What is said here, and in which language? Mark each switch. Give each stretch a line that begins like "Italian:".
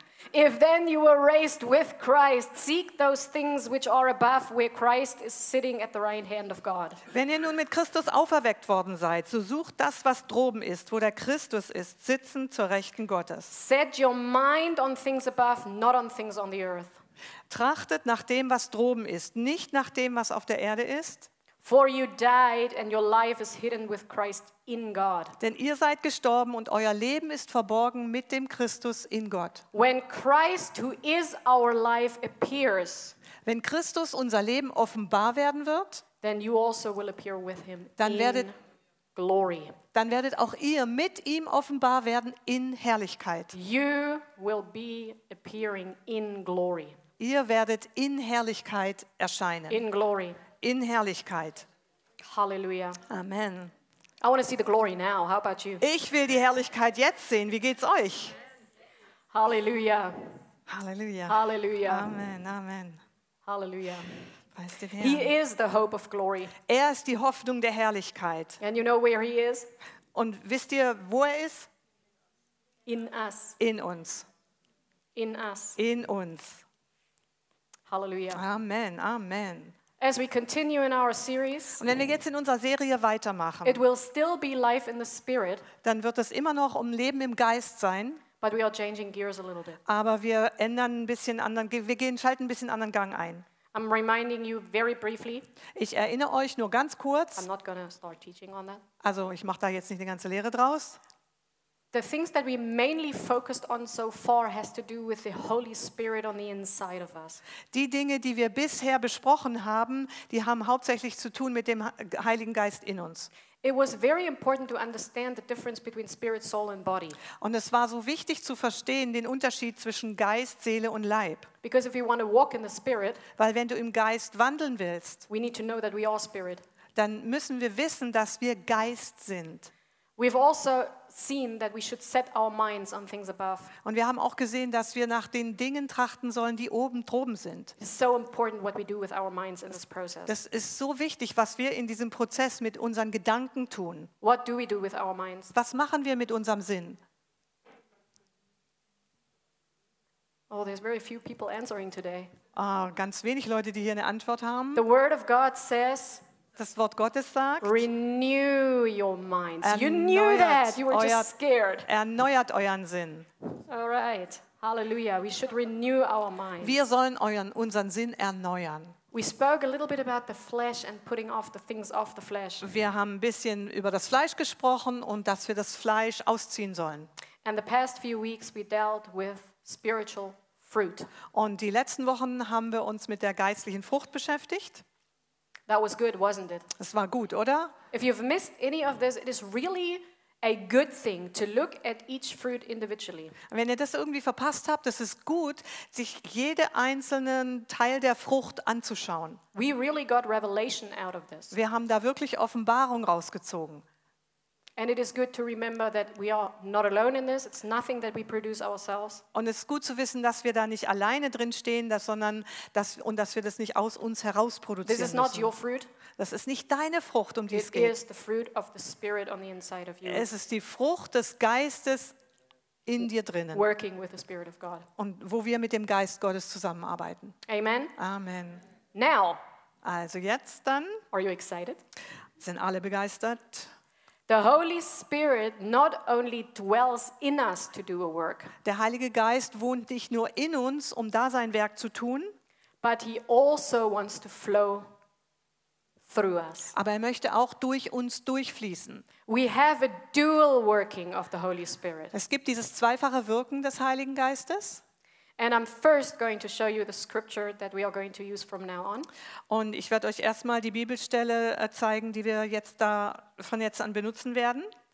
English: If then you were raised with Christ, seek those things which are above, where Christ is sitting at the right hand of God.
German: Wenn ihr nun mit Christus auferweckt worden seid, so sucht das, was droben ist, wo der Christus ist, sitzen zur Rechten Gottes.
English: Set your mind on things above, not on things on the earth.
German: Trachtet nach dem, was droben ist, nicht nach dem, was auf der Erde ist.
English: For you died and your life is hidden with Christ in God.
German: Denn ihr seid gestorben und euer Leben ist verborgen mit dem Christus in Gott.
English: When Christ, who is our life, appears,
German: wenn Christus unser Leben offenbar werden wird,
English: then you also will appear with him
German: dann werdet, in glory. Dann werdet auch ihr mit ihm offenbar werden in Herrlichkeit.
English: You will be appearing in glory.
German: Ihr werdet in Herrlichkeit erscheinen.
English: In glory.
German: In Herrlichkeit. Halleluja. Amen.
English: I want to see the glory now. How about you?
German: Ich will die Herrlichkeit jetzt sehen. Wie geht's euch? Halleluja. Halleluja. Halleluja. Amen. Amen. Halleluja. Preist den Herrn.
English: He is the hope of glory.
German: Er ist die Hoffnung der Herrlichkeit.
English: And you know where he is?
German: Und wisst ihr, wo er ist?
English: In us.
German: In uns.
English: In us.
German: In uns. Halleluja. Amen. Amen.
English: As we continue in our series,
German: und wenn wir jetzt in unserer Serie weitermachen,
English: it will still be life in the spirit,
German: dann wird es immer noch um Leben im Geist sein.
English: But we are changing gears a little bit.
German: Aber wir ändern ein bisschen anderen, schalten ein bisschen anderen Gang ein.
English: I'm reminding you very briefly.
German: Ich erinnere euch nur ganz kurz.
English: I'm not going to start teaching on that.
German: Also ich mache da jetzt nicht eine ganze Lehre draus.
English: The things that we mainly focused on so far has to do with the Holy Spirit on the inside of us.
German: Die Dinge, die wir bisher besprochen haben, die haben hauptsächlich zu tun mit dem Heiligen Geist in uns.
English: It was very important to understand the difference between spirit, soul and body.
German: Und es war so wichtig zu verstehen den Unterschied zwischen Geist, Seele und Leib.
English: Because if you want to walk in the spirit,
German: weil wenn du im Geist wandeln willst,
English: we need to know that we are spirit.
German: Dann müssen wir wissen, dass wir Geist sind.
English: We've also seen that we should set our minds on things above.
German: Und wir haben auch gesehen, dass wir nach den Dingen trachten sollen, die oben droben sind.
English: It's so important what we do with our minds in this process.
German: Das ist so wichtig, was wir in diesem Prozess mit unseren Gedanken tun.
English: What do we do with our minds?
German: Was machen wir mit unserem Sinn?
English: Oh, there's very few people answering today.
German: Ah, ganz wenig Leute, die hier eine Antwort haben.
English: The word of God says,
German: das Wort Gottes sagt,
English: renew your minds. You knew that. You were just scared.
German: Erneuert euren Sinn.
English: All right. Hallelujah. We should renew our minds.
German: Wir sollen unseren Sinn erneuern.
English: We spoke a little bit about the flesh and putting off the things of the flesh.
German: Wir haben ein bisschen über das Fleisch gesprochen und dass wir das Fleisch ausziehen sollen.
English: And the past few weeks we dealt with spiritual fruit.
German: Und die letzten Wochen haben wir uns mit der geistlichen Frucht beschäftigt.
English: That was good, wasn't it?
German: Es war gut, oder?
English: If you've missed any of this, it is really a good thing to look at each fruit individually.
German: Wenn ihr das irgendwie verpasst habt, das ist gut, sich jede einzelnen Teil der Frucht anzuschauen.
English: We really got revelation out of this.
German: Wir haben da wirklich Offenbarung rausgezogen.
English: And it is good to remember that we are not alone in this. It's nothing that we produce ourselves.
German: Und es ist gut zu wissen, dass wir da nicht alleine drin stehen, dass wir das nicht aus uns heraus produzieren.
English: This is not your fruit.
German: Das ist nicht deine Frucht, um die es geht.
English: It is the fruit of the spirit on the inside of you.
German: Es ist die Frucht des Geistes in dir drinnen.
English: Working with the spirit of God.
German: Und wo wir mit dem Geist Gottes zusammenarbeiten. Amen. Amen.
English: Now,
German: Also jetzt dann.
English: Are you excited?
German: Sind alle begeistert?
English: The Holy Spirit not only dwells in us to do a work.
German: Der Heilige Geist wohnt nicht nur in uns, um da sein Werk zu tun.
English: But he also wants to flow through us.
German: Aber er möchte auch durch uns durchfließen.
English: We have a dual working of the Holy Spirit.
German: Es gibt dieses zweifache Wirken des Heiligen Geistes.
English: And I'm first going to show you the scripture that we are going to use from now on.
German: Und ich werde euch erstmal die Bibelstelle zeigen, die wir jetzt da von jetzt an benutzen werden.